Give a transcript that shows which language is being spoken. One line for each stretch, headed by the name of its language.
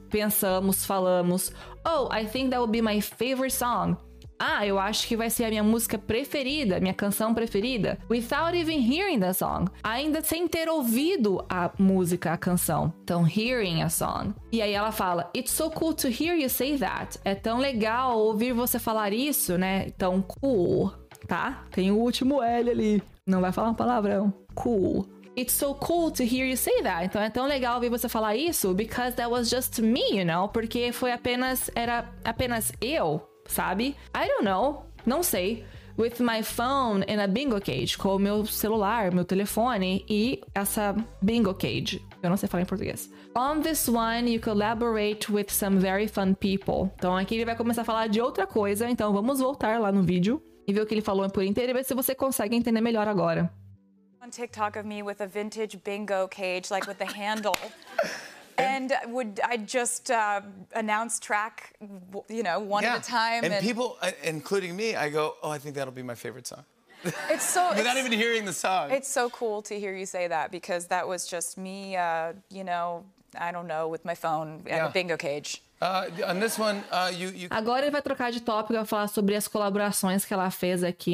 Portuguese: Pensamos, falamos,
English: oh, I think that will be my favorite song.
Portuguese: Ah, eu acho que vai ser a minha música preferida, minha canção preferida.
English: Without even hearing the song.
Portuguese: Ainda sem ter ouvido a música, a canção.
English: Então, hearing a song.
Portuguese: E aí ela fala,
English: it's so cool to hear you say that.
Portuguese: É tão legal ouvir você falar isso, né? Tão cool, tá? Tem o último L ali. Não vai falar um palavrão. Cool.
English: It's so cool to hear you say that.
Portuguese: Então é tão legal ouvir você falar isso,
English: because that was just me, you know?
Portuguese: Porque foi apenas, era apenas eu, sabe?
English: I don't know.
Portuguese: Não sei.
English: With my phone in a bingo cage.
Portuguese: Com o meu celular, meu telefone e essa bingo cage. Eu não sei falar em português.
English: On this one, you collaborate with some very fun people.
Portuguese: Então aqui ele vai começar a falar de outra coisa. Então vamos voltar lá no vídeo e ver o que ele falou por inteiro e ver se você consegue entender melhor agora.
English: On TikTok of me with a vintage bingo cage, like with the handle. And would I just announce track, you know, one yeah. at a time. And people, including me, I go, oh, I think that'll be my favorite song. It's so... Without it's, even hearing the song. It's so cool to hear you say that, because that was just me, you know, I don't know, with my phone at yeah. a bingo cage. On this one, you...
Portuguese: Agora ele vai trocar de tópico e vai falar sobre as colaborações que ela fez aqui.